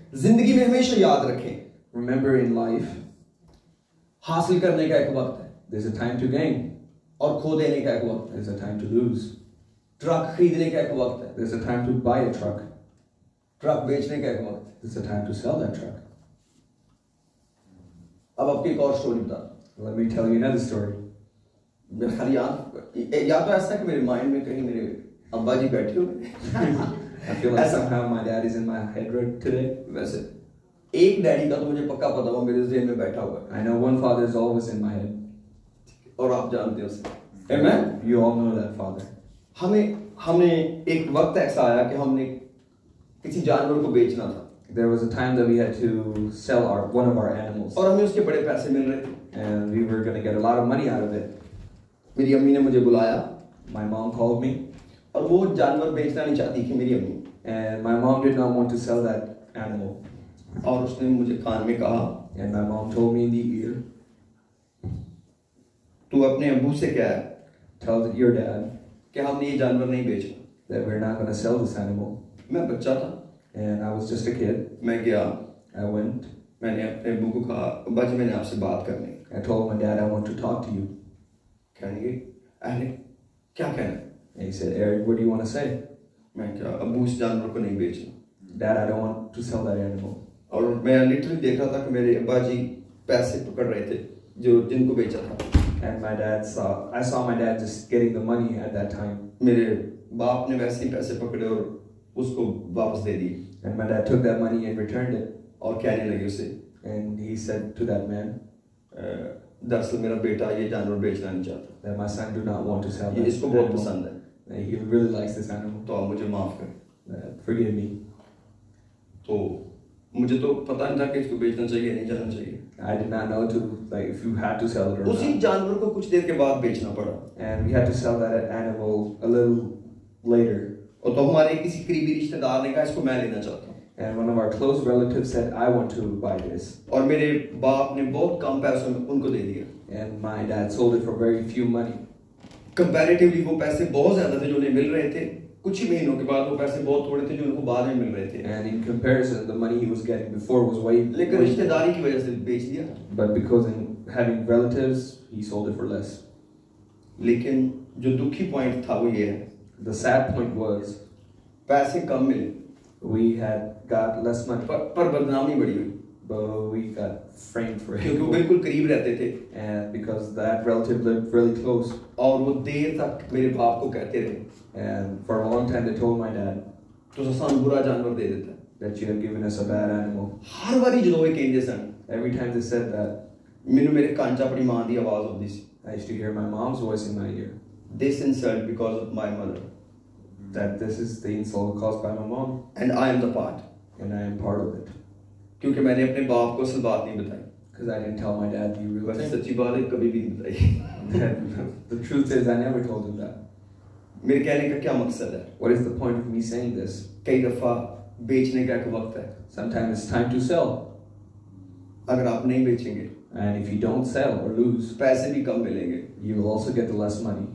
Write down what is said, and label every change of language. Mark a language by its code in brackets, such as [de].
[hi] जिंदगी में हमेशा याद रखें. [en] remember in life [hi] हासिल करने का एक वक्त है. [en] There is a time to gain. [hi] और खो देने का एक वक्त [en] है. There's a time to lose. [hi] Truck खरीदने का एक वक्त है. [en] There's a time to buy a truck. [hi] Truck बेचने का एक वक्त. [en] There's a time to sell that truck. [hi] अब आपकी एक और स्टोरी बता. [en] Let me tell you another story. [hi] मैं खाली या तो ऐसा कि मेरे माइंड में कहीं मेरे अब्बा जी बैठे होंगे. [en] I feel like somehow my dad is in my head right today. [hi] वैसे एक डैडी का तो मुझे पक्का पता है, मेरे जेहन में बैठा हुआ [en] है. I know one father is always in my head. [hi] और आप जानते हो उसे. Amen. [en] You all know that father. [hi] हमने एक वक्त ऐसा आया कि हमने किसी जानवर को बेचना था. [en] There was a time that we had to sell one of our animals. [hi] और हमें उसके बड़े पैसे मिल रहे थे. [en] And we were going to get a lot of money out of it. [hi] मेरी अम्मी ने मुझे बुलाया. [en] My mom called me. [hi] और वो जानवर बेचना नहीं चाहती थी मेरी अम्मी. [en] And my mom did not want to sell that animal. [hi] और उसने मुझे कान में कहा. [en] And my mom told me in the ear. [hi] तू अपने अब्बू से कह. [en] Tell your dad. [hi] कि हमने ये जानवर नहीं बेचा. [en] That we're not going to sell this animal. [hi] मैं बच्चा था. [en] And I was just a kid. [hi] मैं गया. [en] I went. [hi] मैंने अपने अब्बू को कहा, अब्बा जी मैंने आपसे बात करनी. [en] I told my dad I want to talk to you. [hi] कहेंगे अरे क्या कहना. [en] And he said, Eric, what do you want to say? [hi] मैं क्या अब्बू इस जानवर को नहीं बेचना. [en] Dad, I don't want to sell that animal. [hi] और मैं लिटरली देख रहा था कि मेरे अब्बा जी पैसे पकड़ रहे थे जो जिनको बेचा था. [en] And my dad I saw my dad just getting the money at that time. [hi] मेरे बाप ने वैसे ही पैसे पकड़े और उसको वापस दे दिए. [en] And my dad took that money and returned it. [hi] और कहने लगे उसे. [en] And he said to that man, [hi] दरअसल मेरा बेटा ये जानवर बेचना नहीं चाहता. [en] That my son do not want to sell. [hi] ये इसको बहुत पसंद है. [en] He really likes this animal. [hi] तो आप मुझे माफ करें. [en] Forgive me. [hi] तो मुझे तो पता नहीं था कि इसको बेचना चाहिए नहीं जाना चाहिए. [en] I did not know to like if you had to sell it or not. [hi] उसी जानवर को कुछ देर के बाद बेचना पड़ा. [en] And we had to sell that animal a little later. [hi] और तो हमारे किसी करीबी रिश्तेदार ने कहा इसको मैं लेना चाहता हूँ. [en] And one of our close relatives said I want to buy this. [hi] और मेरे बाप ने बहुत कम पैसों में उनको दे दिया. [en] And my dad sold it for very few money. [hi] Comparatively वो पैसे बहुत ज्यादा थे जो उन्हें मिल रहे थे. कुछ ही महीनों के बाद वो पैसे बहुत थोड़े थे जो उनको बाद में मिल रहे थे. [en] And in comparison, the money he was getting before was way. [hi] लेकिन रिश्तेदारी की वजह से बेच दिया. [en] But because in having relatives, he sold it for less. [hi] लेकिन जो दुखी पॉइंट था वो ये है. [en] The sad point was, [hi] पैसे कम मिले. [en] We had got less money. [hi] पर बदनामी बढ़ी हुई. [en] But we got framed for it. [hi] क्योंकि वो बिल्कुल करीब रहते थे. [en] And because that relative lived really close. [hi] और वो देर तक मेरे बाप को कहते रहे. [en] And for a long time they told my dad. [hi] तो सासान बुरा जानवर दे देता. [en] That you have given us a bad animal. [hi] हर बारी जो वे कहते सन. [en] Every time they said that. [hi] मेरे मेरे कान च अपनी माँ की आवाज़ होती थी. [en] I used to hear my mom's voice in my ear. This insult because of my mother. That this is the insult caused by my mom. And I am the part. And I am part of it. [hi] क्योंकि मैंने अपने बाप को सब बात नहीं बताई. [en] Because I didn't tell my dad the real thing. [hi] सच्ची बात है कभी भी नहीं बताई. [en] The truth is I never told him that. [hi] मेरे कहने का क्या मकसद है? [en] What is the point of me saying this? [hi] कई दफा बेचने का एक वक्त है. [en] Sometimes it's time to sell. [hi] अगर आप नहीं बेचेंगे. [en] And if you don't sell or lose. [hi] पैसे भी कम मिलेंगे. [en] You will also get the less money.